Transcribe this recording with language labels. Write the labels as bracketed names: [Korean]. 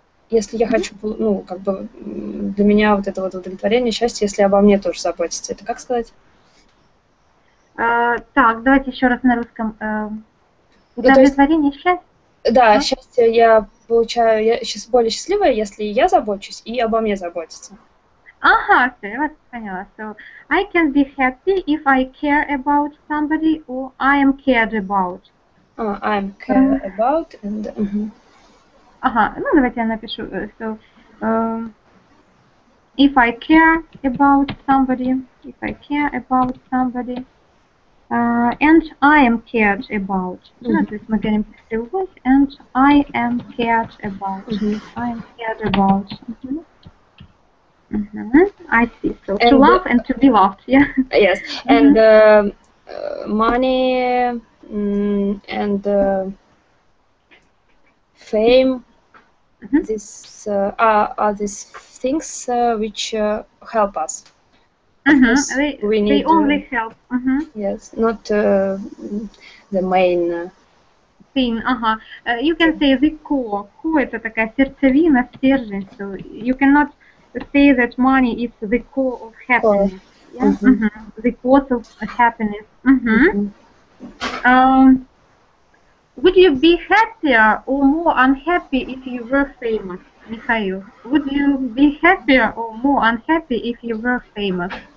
[Russian] Если я хочу, ну, как бы, для меня вот это вот удовлетворение, счастье, если обо мне тоже заботиться, это как сказать? Так, давайте еще раз на русском. Удовлетворение, счастье? Да, счастье я получаю, я сейчас более счастливая, если я забочусь и обо мне заботиться. Ага, все, я вас поняла. [English] So, I can be happy if I care about somebody or I am cared about. I am cared about and... [Russian] Ага, ну давайте я напишу. [English] So, if I care about somebody, and I am cared about. [Russian] Mm-hmm. Ну, то есть мы говорим про себя, [English] and I am cared about. Mm-hmm. I am cared about. Mm-hmm. I see. So and to love and to be loved. Yeah. Yes. Mm-hmm. And money and fame. Mm-hmm. These things help us. Mm-hmm. They only help. Mm-hmm. Yes, not the main thing. [Russian] Ага. [English] You can say the core. [Russian] Core это такая сердцевина, стержень. [English] So you cannot say that money is the core of happiness. Core. Yeah? Mm-hmm. Mm-hmm. The cause of happiness. Mm-hmm. Mm-hmm. Would you be happier or more unhappy if you were famous, Михаил? Would you be happier or more unhappy if you were famous?